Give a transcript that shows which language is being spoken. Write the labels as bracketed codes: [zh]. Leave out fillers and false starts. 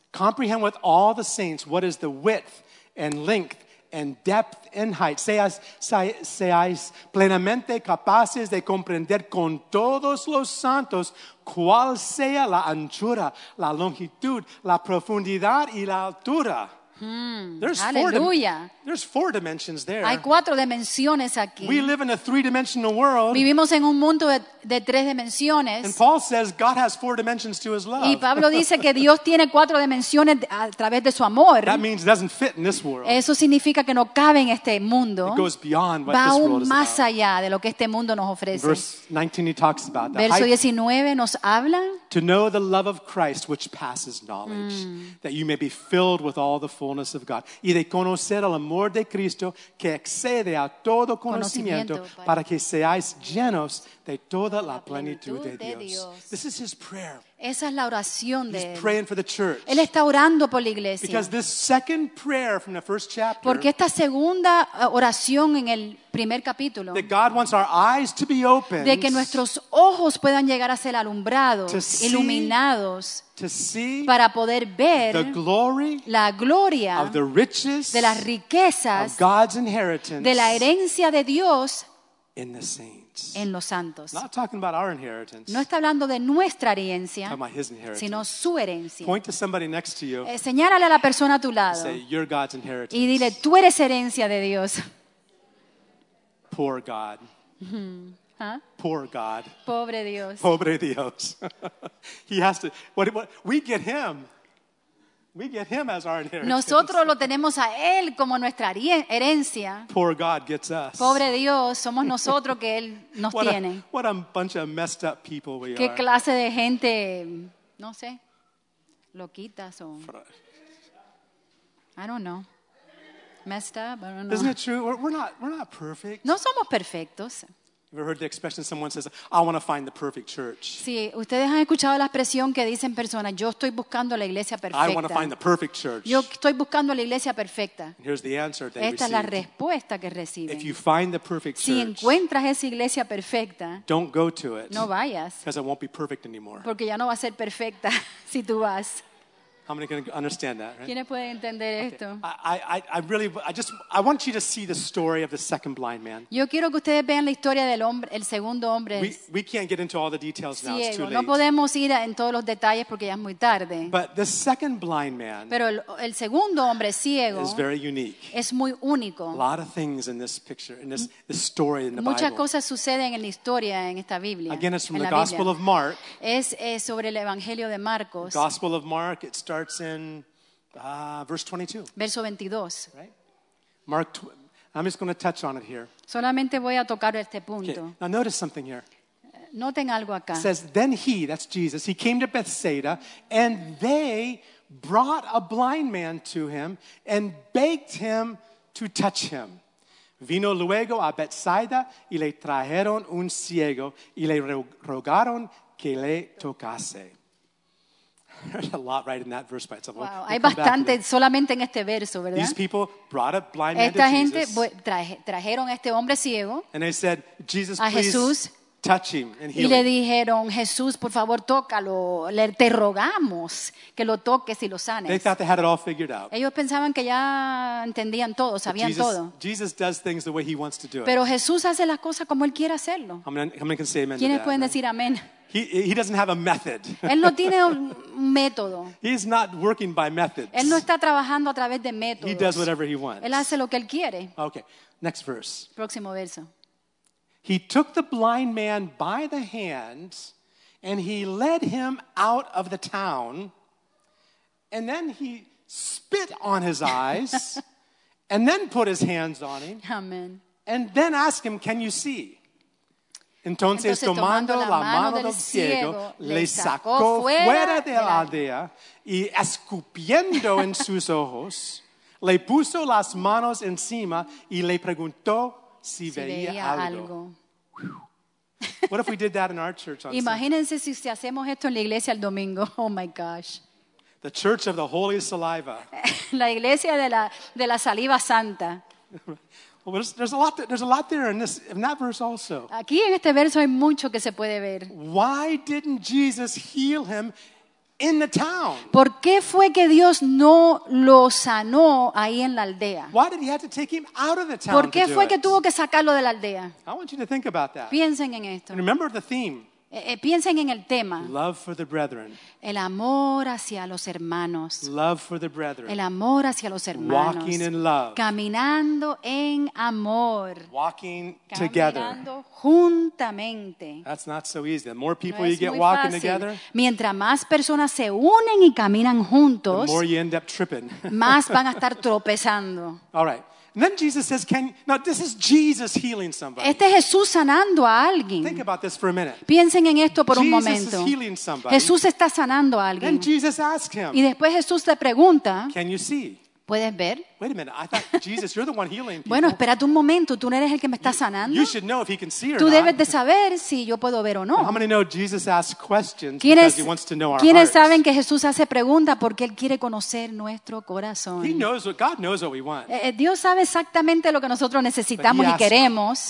[en] Comprehend with all the saints what is the width and length and depth and height. [es] Seáis plenamente capaces de comprender con todos los santos cuál sea la anchura, la longitud, la profundidad y la altura. [en] There's four dimensions there. [es] Hay cuatro dimensiones aquí. [en] We live in a three-dimensional world. [es] Vivimos en un mundo de tres dimensiones. [en] And Paul says God has four dimensions to his love. [es] Y Pablo dice que Dios tiene cuatro dimensiones a través de su amor. [en] That means it doesn't fit in this world. [es] Eso significa que no cabe en este mundo. [en] It goes beyond what [es] va [en] this world [es] más [en] is [es] más allá de lo que este mundo nos ofrece. [en] Verse 19 he talks about that. [es] Verso 19 nos habla. [en] To know the love of Christ which passes knowledge, that you may be filled with all the fullness of God. [es] Y de conocer al amor de Cristo que excede a todo conocimiento para que seáis llenos de toda la plenitud de Dios. [en] This is his prayer. [es] Esa es la oración de él. [en] He's praying for the church. [es] Él está orando por la iglesia. [en] Because this second prayer from the first chapter. [es] Porque esta segunda oración en el primer capítulo. [en] That God wants our eyes to be opened. [es] De que nuestros ojos puedan llegar a ser alumbrados, iluminados. [en] To see [es] para poder ver [en] the glory, [es] la gloria [en] of the riches, [es] de las riquezas [en] of God's inheritance, [es] de la herencia de Dios [en] in the saints. [es] En los santos. [en] Not talking about our inheritance. [es] No está hablando de nuestra herencia, [en] his inheritance. [es] Sino su herencia. [en] Point to somebody next to you. [es] Señálale a la persona a tu lado. [en] Say, "You're God's inheritance." [es] Y dile, tú eres herencia de Dios. [en] Poor God. Huh? Poor God. [es] Pobre Dios. Pobre Dios. [en] He has to. What we get him. We get him as our inheritance. [es] Nosotros lo tenemos a él como nuestra herencia. [en] Poor God gets us. [es] Pobre Dios, somos nosotros que él nos [en] what [es] tiene. [en] What a bunch of messed up people we [es] ¿Qué [en] are. [es] Qué clase de gente, no sé, loquitas o. [en] I don't know. Messed up, I don't know. Isn't it true? We're not perfect. [es] No somos perfectos. [en] You ever heard the expression someone says, "I want to find the perfect church"? [es] Sí, ustedes han escuchado la expresión que dicen personas, "Yo estoy buscando la iglesia perfecta." [en] I want to find the perfect church. [es] Yo estoy buscando la iglesia perfecta. [en] And here's the answer they received. [es] Esta es la respuesta que reciben. [en] If you find the perfect church, [es] si encuentras esa iglesia perfecta, [en] don't go to it. [es] No vayas. [en] Because it won't be perfect anymore. [es] Porque ya no va a ser perfecta si tú vas. [en] How many can understand that, right? [es] ¿Quiénes pueden entender esto? [en] Okay. I want you to see the story of the second blind man. [es] Yo quiero que ustedes vean la historia del hombre, el segundo hombre. [en] We can't get into all the details [es] ciego. [en] Now, it's too late. [es] No podemos ir en todos los detalles porque ya es muy tarde. [en] But the second blind man. [es] Pero el segundo hombre ciego. [en] Is very unique. [es] Es muy único. [en] A lot of things in this picture, in this story in the Bible. [es] Muchas cosas suceden en la historia en esta Biblia. [en] Again, it's from the Gospel of Mark. [es] Es sobre el Evangelio de Marcos. [en] Gospel of Mark, it starts in verse 22. [es] Verso 22. [en] Right? Mark, I'm just going to touch on it here. [es] Solamente voy a tocar este punto. [en] Okay. Now notice something here. [es] Noten algo acá. [en] It says, then he, that's Jesus, he came to Bethsaida, and they brought a blind man to him and begged him to touch him. [es] Vino luego a Bethsaida y le trajeron un ciego y le rogaron que le tocase. [en] There's a lot right in that verse by itself. Wow, we'll [es] hay bastante solamente en este verso, ¿verdad? [en] These people brought a blind [es] esta [en] man to [es] gente [en] Jesus. [es] Trajeron a este hombre ciego. [en] And they said, "Jesus, [es] a Jesús, [en] please, touch him and heal him. [es] Y le dijeron, Jesús, por favor, tócalo. Le te rogamos que lo toques y lo sanes. [en] They thought they had it all figured out. [es] Ellos pensaban que ya entendían todo, sabían todo. [en] Jesus does things the way he wants to do it. [es] Pero Jesús hace las cosas como él quiere hacerlo. [en] How many can say amen? [es] ¿Quiénes pueden decir amén? [en] He doesn't have a method. [es] Él no tiene un método. [en] He's not working by methods. [es] Él no está trabajando a través de métodos. [en] He does whatever he wants. [es] Él hace lo que él quiere. [en] Okay, next verse. [es] Próximo verso. [en] He took the blind man by the hand and he led him out of the town. And then he spit on his eyes and then put his hands on him. Amen. And then asked him, can you see? [es] Entonces tomando la mano del ciego, le sacó fuera de la aldea y escupiendo en sus ojos, le puso las manos encima y le preguntó si veía algo. [en] What if we did that in our church on [es] Imagínense Sunday? Si hacemos esto en la iglesia el domingo. [en] Oh my gosh. The church of the holy saliva. [es] La iglesia de la saliva santa. [en] Well, there's a lot there in that verse also. [es] Aquí en este verso hay mucho que se puede ver. [en] Why didn't Jesus heal him in the town? [es] ¿Por qué fue que Dios no lo sanó ahí en la aldea? [en] Why did he have to take him out of the town? [es] ¿Por qué fue [en] it? [es] Que tuvo que sacarlo de la aldea? [en] I want you to think about that. [es] Piensen en esto. [en] And remember the theme. [es] Piensen en el tema. [en] Love for the brethren. [es] El amor hacia los hermanos. [en] Love for the brethren. [es] El amor hacia los hermanos. [en] Walking in love. [es] Caminando en amor. [en] Walking together. [es] Caminando juntamente. [en] That's not so easy. The more people you get walking together, [es] mientras más personas se unen y caminan juntos, [en] the more you end up tripping. [es] Más van a estar tropezando. [en] All right. And then Jesus says, this is Jesus healing somebody. [es] Este es Jesús sanando a alguien. [en] Think about this for a minute. [es] Piensen en esto por [en] Jesus [es] un momento. [en] Is healing somebody. [es] Jesús está sanando a alguien. [en] Then Jesus asks him, [es] y después Jesús le pregunta, [en] can you see? [es] ¿Puedes ver? [en] Wait a minute, I thought, Jesus, you're the one healing people. [es] Bueno, espérate un momento, tú no eres el que me está sanando. [en] You should know if he can see or [es] tú debes [en] not. [es] De saber si yo puedo ver o no. [en] How many know Jesus asks questions because he wants to know our hearts? [es] ¿Quiénes saben que Jesús hace preguntas porque él quiere conocer nuestro corazón? [en] God knows what we want. [es] Dios sabe exactamente lo que nosotros necesitamos y queremos.